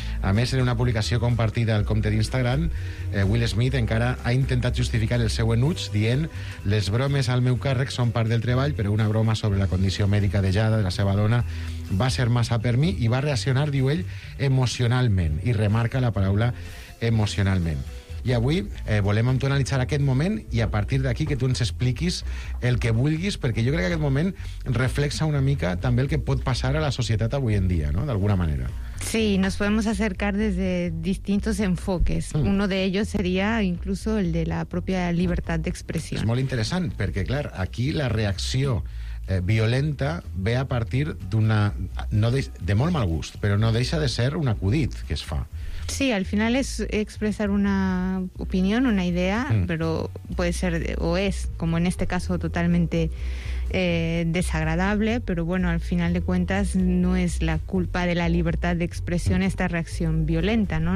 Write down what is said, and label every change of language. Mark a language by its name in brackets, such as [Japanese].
[Catalan] A més, en una publicació compartida al compte d'Instagram, Will Smith encara ha intentat justificar el seu enuig dient: les bromes al meu càrrec són part del treball, però una broma sobre la condició mèdica de Jada, de la seva dona, va ser massa per mi, i va reaccionar, diu ell, emocionalment, i remarca la paraula emocionalment. I avui volem amb tu analitzar aquest moment i a partir d'aquí que tu ens expliquis el que vulguis, perquè jo crec que aquest moment reflexa una mica també el que pot passar a la societat avui en dia, no? D'alguna manera. [Spanish] Sí, nos podemos acercar desde distintos enfoques. Mm. Uno de ellos sería incluso el de la propia libertad de expresión. [Catalan] És molt interessant, perquè, clar, aquí la reacció violenta ve a partir d'una... No de molt mal gust, però no deixa de ser un acudit que es fa. [Spanish] Sí, al final es expresar una opinión, una idea, pero puede ser o es, como en este caso, totalmente desagradable, pero bueno, al final de cuentas no es la culpa de la libertad de expresión esta reacción violenta, ¿no?